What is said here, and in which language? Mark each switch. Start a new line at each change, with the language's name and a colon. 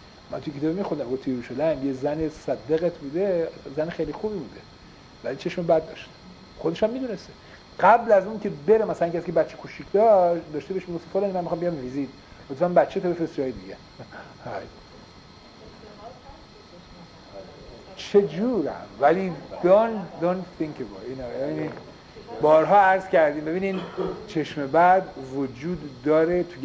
Persian: من توی کتاب میخوندم توی یروشلایم یه زن صدقت بوده، زن خیلی خوبی بوده ولی چشم بد داشت، خودش هم میدونسته قبل از اون که بره مثلا اینکه از که بچه کوچیک داشته بهش میگفت فلانی من میخوام بیام ویزیت، لطفا بچه تو بفرست جای دیگه. چه جورم ولی
English: don't think about it.
Persian: بارها عرض کردیم ببینین چشم بد وجود داره.